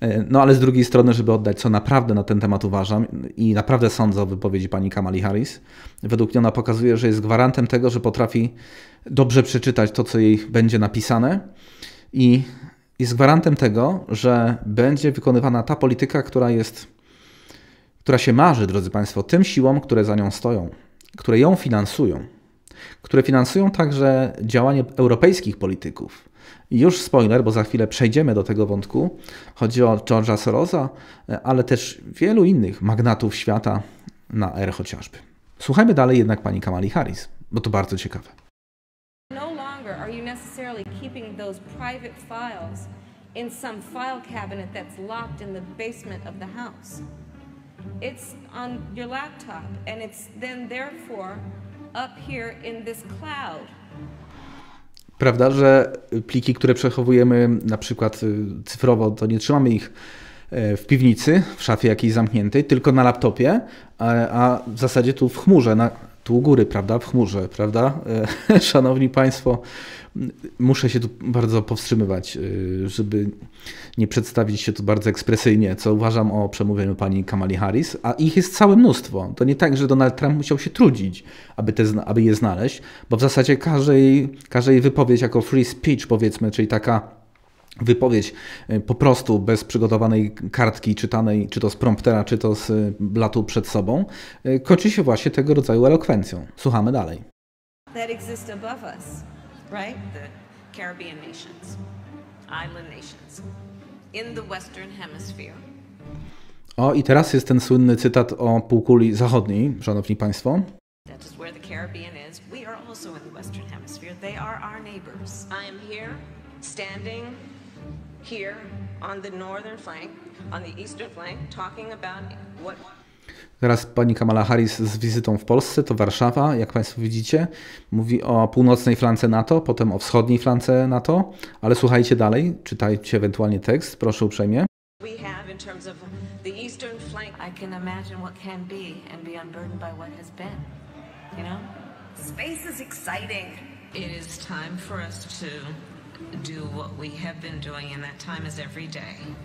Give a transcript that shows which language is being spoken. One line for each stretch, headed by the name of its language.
Polish: No ale z drugiej strony, żeby oddać, co naprawdę na ten temat uważam i naprawdę sądzę o wypowiedzi pani Kamali Harris, według mnie ona pokazuje, że jest gwarantem tego, że potrafi dobrze przeczytać to, co jej będzie napisane i jest gwarantem tego, że będzie wykonywana ta polityka, która się marzy, drodzy Państwo, tym siłom, które za nią stoją, które ją finansują, które finansują także działanie europejskich polityków. I już spoiler, bo za chwilę przejdziemy do tego wątku. Chodzi o George'a Sorosa, ale też wielu innych magnatów świata na R chociażby. Słuchajmy dalej jednak pani Kamali Harris, bo to bardzo ciekawe.
English: No longer are you necessarily keeping those private files in some file cabinet that's locked in the basement of the house. It's on your laptop and it's then therefore up here in this cloud.
Polish: Prawda, że pliki, które przechowujemy na przykład cyfrowo, to nie trzymamy ich w piwnicy, w szafie jakiejś zamkniętej, tylko na laptopie, a w zasadzie tu w chmurze, tu u góry, prawda, w chmurze, prawda? Szanowni Państwo, muszę się tu bardzo powstrzymywać, żeby nie przedstawić się tu bardzo ekspresyjnie, co uważam o przemówieniu pani Kamali Harris, a ich jest całe mnóstwo. To nie tak, że Donald Trump musiał się trudzić, aby je znaleźć, bo w zasadzie każdej wypowiedź jako free speech, powiedzmy, czyli taka wypowiedź po prostu bez przygotowanej kartki czytanej, czy to z promptera, czy to z blatu przed sobą, kończy się właśnie tego rodzaju elokwencją. Słuchamy dalej.
English: That exists above us, right? The Caribbean nations, island nations, in the Western Hemisphere.
Polish: O, i teraz jest ten słynny cytat o półkuli zachodniej, szanowni Państwo.
English: That is where the Caribbean is. We are also in the Western Hemisphere. They are our neighbors. I am here, standing here on the northern flank, on the eastern flank, talking about what.
Polish: Teraz pani Kamala Harris z wizytą w Polsce, to Warszawa, jak Państwo widzicie, mówi o północnej flance NATO, potem o wschodniej flance NATO, ale słuchajcie dalej, czytajcie ewentualnie tekst, proszę uprzejmie.
English: We have in terms of the eastern flank, I can imagine what can be and be unburdened by what has been, you know? Space is exciting. It is time for us to do what we have been doing and that time is every day.